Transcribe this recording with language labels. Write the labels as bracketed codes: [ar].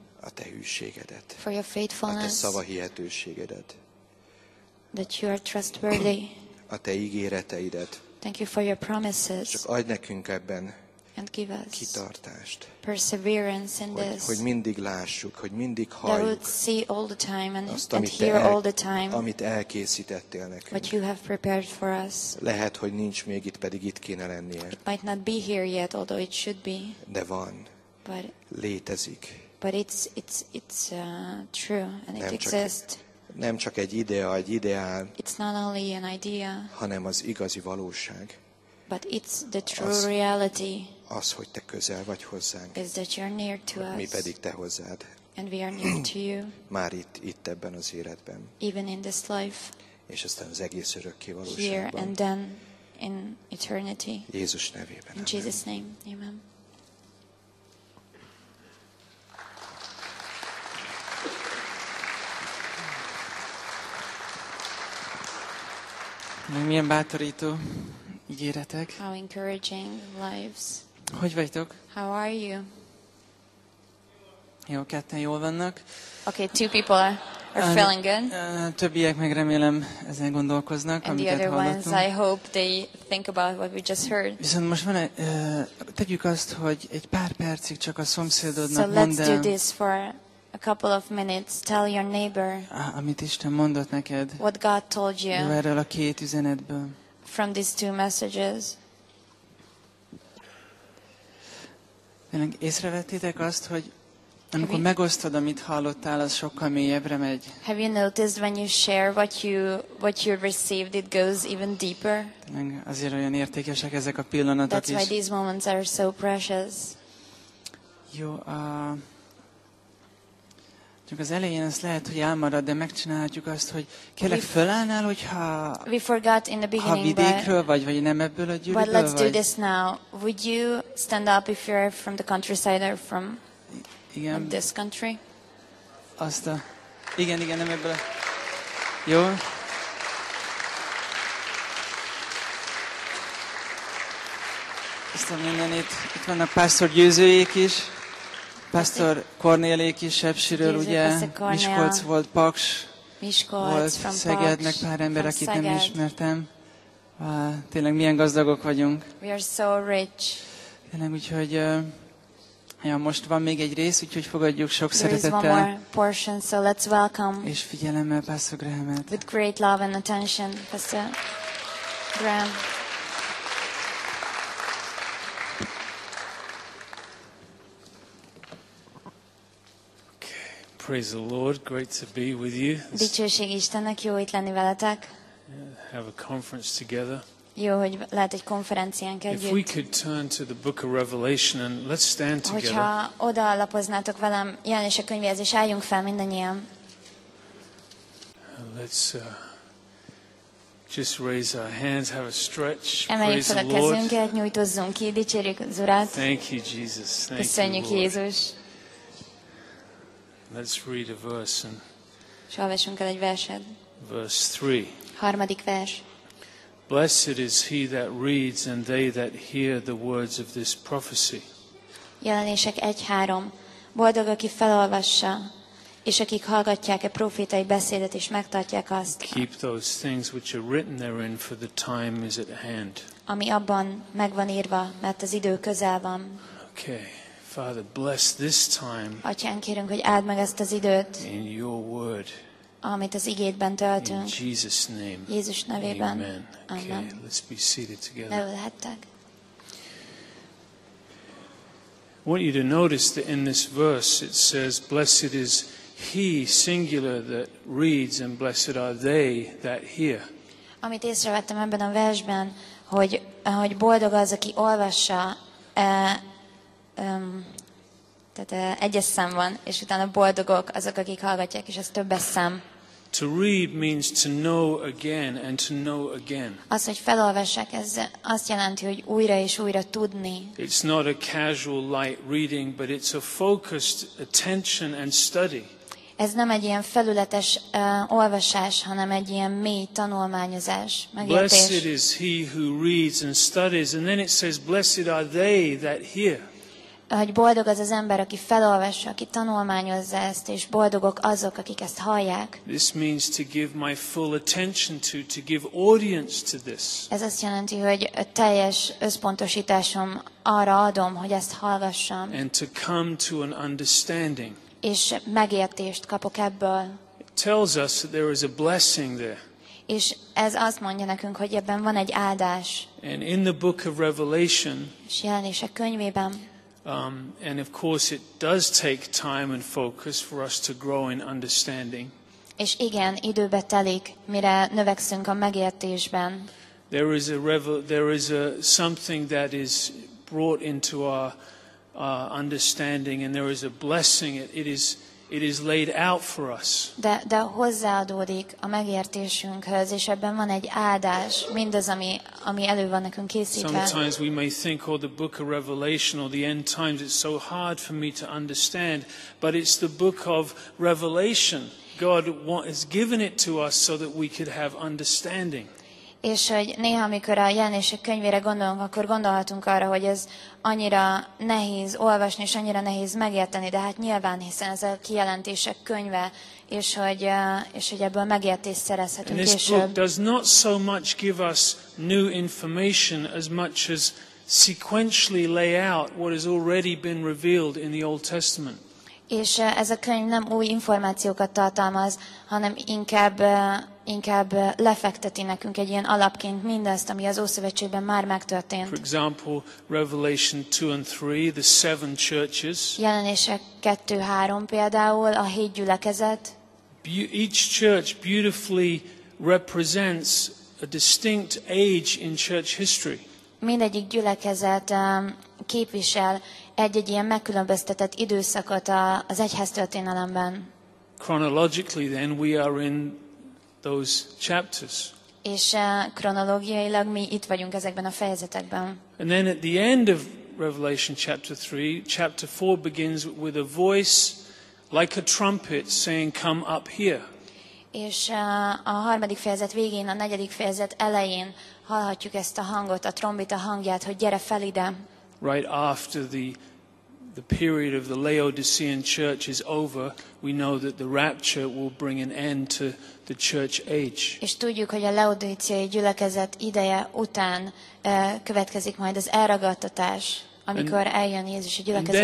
[hu] A te hűségedet. [en] For your faithfulness. [hu] A te szava hihetőségedet. [en] That you are trustworthy. [hu] A te ígéreteidet. [en] Thank you for your promises. [hu] Csak adj nekünk ebben [en] and give us [hu] kitartást. [en] Perseverance in [hu] hogy, [en] this. [hu] Hogy mindig lássuk, hogy mindig halljuk. [en] That we see all the time and hear all the time. [hu] Amit elkészítettél nekünk. [en] What you have prepared for us. [hu] Lehet, hogy nincs még itt, pedig itt kéne lennie. [en] It might not be here yet, although it should be. [hu] De van. [en] But [hu] létezik. [en] But it's true and [hu] nem [en] it exists. [hu] Nem csak egy idea, egy ideál, [en] it's not only an idea, [hu] hanem az igazi valóság. [en] But it's the true reality. [hu] Az, hogy te közel vagy hozzánk. [en] Is that you're near to us. [hu] Mi pedig te hozzád. [en] And we are near to you. [hu] Már itt ebben az életben. [en] Even in this life. [hu] És aztán az egész örökké valóságban. [en] Here and then in eternity. [hu] Jézus nevében. [en] In amen. Jesus name. Amen. [hu] Meg milyen bátorító ígéretek. [en] How encouraging lives. [hu] Hogy vagytok? [en] How are you? [hu] Jó, ketten jól vannak. [en] Okay, two people are feeling good. [hu] Többiek meg remélem ezen gondolkoznak, [en] and [hu] amiket hallottunk. [en] And the other ones, I hope they think about what we just heard. [hu] Viszont most van tegyük azt, hogy egy pár percig csak a szomszédodnak mondd el. [en] So let's do this for a couple of minutes, tell your neighbor [hu] amit Isten mondott neked, [en] what God told you [hu] erről a két üzenetből. [en] From these two messages. [hu] Észrevettétek azt, hogy Amikor megosztod, amit hallottál, az sokkal mélyebbre megy. [en] Have you noticed when you share what you received, it goes even deeper? [hu] Azért olyan értékesek ezek a pillanatok is. [en] That's why these moments are so precious. [hu] Jó, csak az elején ez lehet, hogy elmarad, de megcsinálhatjuk azt, hogy kérlek, fölállnál, hogyha [en] we forgot in the beginning, [hu] ha vidékről vagy nem ebből a gyűlőből vagy? [en] But let's do this now. Would you stand up if you're from the countryside or from... [hu] Igen. [en] In this country. [hu] Azt a... Igen, nem ebből. Jó. Azt a mindenit. Itt vannak Pásztor Győzőjék is. Pásztor Kornéliék is, Sepsiről, ugye. Miskolc volt, Paks. Miskolc volt, [en] from [hu] Szegednek Paks, pár ember, akit Szeged. Nem ismertem. Tényleg milyen gazdagok vagyunk. [en] We are so rich. [hu] Tényleg, úgyhogy... Ja, most van még egy rész, úgyhogy fogadjuk sok szeretettel. [en] Portion, so let's welcome. [hu] És figyelemmel Pastor Graham-et. [en] With great love and attention, Pastor Graham. Okay. Praise the Lord, great to be with you. [hu] Dicsőség Istennek, jó itt lenni veletek. [en] Have a conference together. [hu] Jó, hogy lehet egy konferenciánk együtt. [en] If we could turn to the book of Revelation and let's stand together. [hu] Hogyha oda lapoznátok velem Jelenések könyvéhez, és álljunk fel mindannyian. [en] Let's just raise our hands, have a stretch. [hu] Emeljük fel a kezünket, nyújtozzunk ki, dicsérjük az Urat. [en] Thank you, Jesus. Thank you, Lord. [hu] Köszönjük, Jézus. [en] Let's read a verse and. [hu] És olvassunk el egy verset. [en] Verse 3. [hu] Harmadik vers. [en] Blessed is he that reads and they that hear the words of this prophecy. [hu] Jelenések 1:3. Boldog, aki felolvassa, és akik hallgatják a prófétai beszédet és megtartják azt. [en] Keep those things which are written therein, for the time is at hand. [hu] Ami abban megvan írva, mert az idő közel van. [en] Okay. Father, bless this time. [hu] Atyán, kérünk, hogy áld meg ezt az időt. [en] In your word. [hu] Amit az igédben töltünk. [en] In Jesus name. [hu] Jézus nevében. [en] Amen. Okay, let's be seated together. [hu] Leülhettek. [en] I want you to notice that in this verse it says, blessed is he, singular, that reads, and blessed are they that hear. [hu] Amit észrevettem ebben a versben, hogy boldog az, aki olvassa, tehát egyes szem van, és utána boldogok azok, akik hallgatják, és ez többes szem. [en] To read means to know again and to know again. [hu] Az, hogy felolvassak, ez azt jelenti, hogy újra és újra tudni. [en] It's not a casual light reading, but it's a focused attention and study. [hu] Ez nem egy ilyen felületes olvasás, hanem egy ilyen mély tanulmányozás, megértés. [en] Blessed is he who reads and studies, and then it says, blessed are they that hear. [hu] Hogy boldog az ember, aki felolvassa, aki tanulmányozza ezt, és boldogok azok, akik ezt hallják. [en] This means to give my full attention to give audience to this. [hu] Ez azt jelenti, hogy a teljes összpontosításom arra adom, hogy ezt hallgassam. [en] And to come to an understanding. [hu] És megértést kapok ebből. [en] It tells us that there is a blessing there. [hu] És ez azt mondja nekünk, hogy ebben van egy áldás. [en] And in the book of Revelation. [hu] És Jelenések könyvében. [en] And of course it does take time and focus for us to grow in understanding. [hu] És igen, időbe telik, mire növekszünk a megértésben. [en] There is something that is brought into our understanding, and there is a blessing. It is laid out for us. [hu] De hozzáadódik a megértésünkhöz, és ebben van egy áldás, mindaz, ami elő van nekünk készítve. [en] Sometimes we may think, oh, the book of Revelation or the end times, it's so hard for me to understand, but it's the book of Revelation. God has given it to us so that we could have understanding. [hu] És hogy néha, amikor a Jelenések könyvére gondolunk, akkor gondolhatunk arra, hogy ez annyira nehéz olvasni, és annyira nehéz megérteni, de hát nyilván, hiszen ez a Kijelentések könyve, és hogy ebből megértést szerezhetünk [en] this [hu] később. [en] Book does not so much give us new information as much as sequentially lay out what has already been revealed in the Old Testament. [hu] És ez a könyv nem új információkat tartalmaz, hanem inkább inkább lefekteti nekünk egy ilyen alapként mindezt, ami az Ószövetségben már megtörtént. [en] For example, Revelation 2 and 3, the seven churches. [hu] Jelenések 2-3 például a hét gyülekezet. [en] Each church beautifully represents a distinct age in church history. [hu] Mindegyik gyülekezet képvisel egy-egy ilyen megkülönböztetett időszakot az egyház történelemben. [en] Chronologically then we are in those chapters. [hu] És kronológiailag mi itt vagyunk ezekben a fejezetekben. [en] And then at the end of Revelation chapter 3, chapter 4 begins with a voice like a trumpet saying come up here. [hu] És a harmadik fejezet végén, a negyedik fejezet elején hallhatjuk ezt a hangot, a trombita hangját, hogy gyere fel ide. [en] Right after the period of the Laodicean church is over, we know that the rapture will bring an end to the church age. [hu] És tudjuk, hogy a Laodiceai gyülekezet ideje után következik majd az elragadtatás, amikor eljön Jézus a gyülekezetért.